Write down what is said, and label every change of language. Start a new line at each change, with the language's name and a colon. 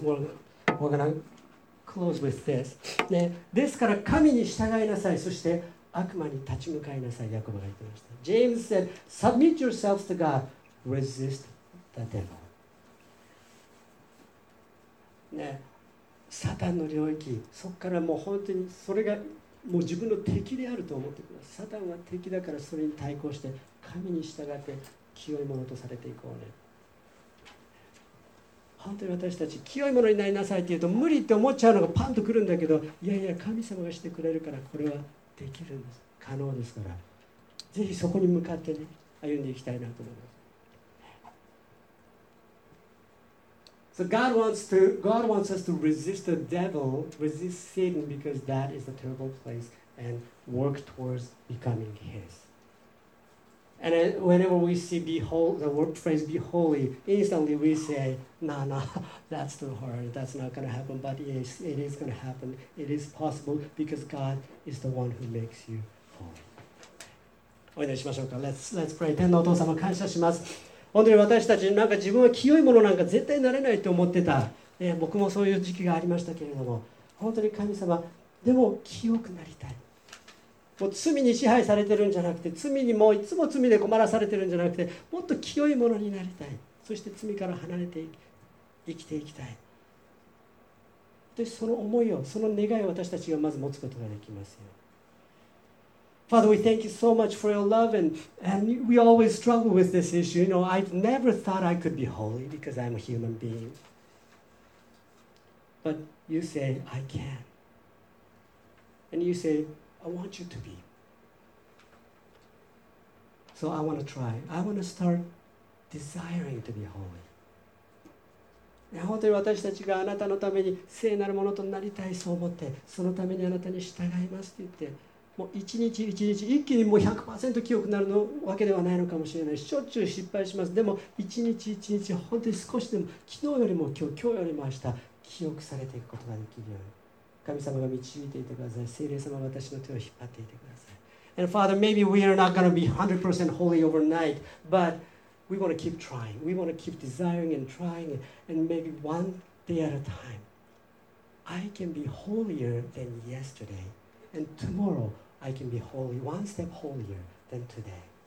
English: We're gonna close with this.
Japanese: ね、ですから神に従いなさい、そして悪魔に立ち向かいなさい、ヤコブが言ってました。
English: James said, submit yourselves to God, resist the devil、
Japanese: ね、サタンの領域、そこからもう本当にそれがもう自分の敵であると思ってください。サタンは敵だから、それに対抗して神に従って清いものとされていこうね。本当に私たち清いものになりなさいって言うと無理って思っちゃうのがパンとくるんだけど、いやいや神様がしてくれるからこれはできるんです、可能ですから、ぜひそこに向かってね歩んでいきたいなと思います。
English: So God wants us to resist the devil, resist Satan because that is the terrible place and work towards becoming his. And whenever we see behold, the word phrase be holy, instantly we say, no, that's too hard, that's not going to happen. But yes, it is going to happen. It is possible because God is the one who makes you
Japanese: お祈りしましょうか。
English: Let's pray.
Japanese: 天皇お父様、感謝します。本当に私たち、なんか自分は清いものなんか絶対なれないと思ってた、僕もそういう時期がありましたけれども、本当に神様、でも清くなりたい。もう罪に支配されてるんじゃなくて、罪にもういつも罪で困らされてるんじゃなくて、もっと清いものになりたい。そして罪から離れて生きていきたい。でその思いを、その願いを私たちがまず持つことができますよ。
English: Father, we thank you so much for your love, and we always struggle with this issue. You know, I've never thought I could be holy because I'm a human being. But you say, I can. And you say, I want you to be. So I want to try. I want to start desiring to be holy.
Japanese: 本当に私たちがあなたのために聖なるものとなりたい、そう思って、そのためにあなたに従いますと言って、もう一日一日一気にもう 100% 清くなるのわけではないのかもしれない、しょっちゅう失敗します、でも一日一日本当に少しでも昨日よりも今日よりも明日清くされていくことができるように、神様が導いていてください、聖霊様が私の手を引っ張っていてください。
English: And Father, maybe we are not going to be 100% holy overnight, but we want to keep trying, we want to keep desiring and trying, and maybe one day at a time I can be holier than yesterdayAnd tomorrow, I can be holy, one step holier than today.